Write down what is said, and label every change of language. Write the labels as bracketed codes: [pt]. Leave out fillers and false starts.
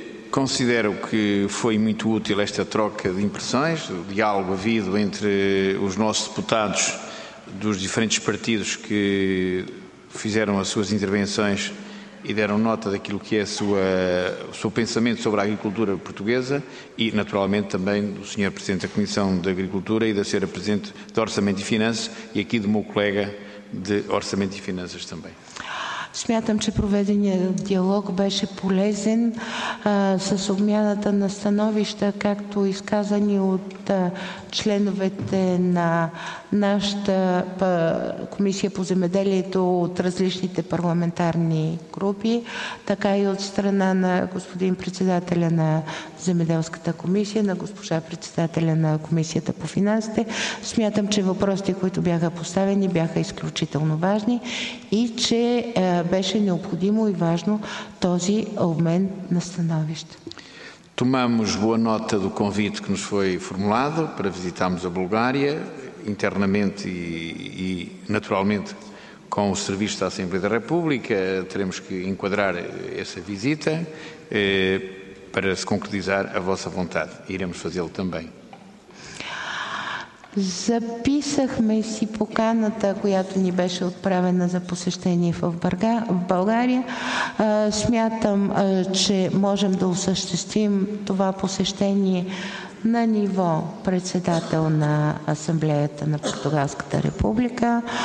[pt] Considero que foi muito útil esta troca de impressões, o diálogo havido entre os nossos deputados dos diferentes partidos que fizeram as suas intervenções e deram nota daquilo que é o seu pensamento sobre a agricultura portuguesa e, naturalmente, também do Sr. Presidente da Comissão de Agricultura e da Sra. Presidente de Orçamento e Finanças e aqui do meu colega de Orçamento e Finanças também. [bg] Смятам, че проведеният диалог беше полезен с обмяната на становища, както изказани от членовете на нашата комисия по земеделието от различните парламентарни групи, така и от страна на господин председателя на земеделската комисия, на госпожа председателя на комисията по финансите. Смятам, че въпросите, които бяха поставени, бяха изключително важни и че беше необходимо и важно този обмен на становища. [pt] Tomamos boa nota do convite que nos foi formulado para visitarmos a Bulgária internamente e naturalmente com o Serviço da Assembleia da República. Teremos que enquadrar essa visita para se concretizar a vossa vontade. Iremos fazê-lo também. [bg] Записахме си поканата, която ни беше отправена за посещение в България. Смятам, че можем да осъществим това посещение на ниво председател на Асамблеята на Португалската република.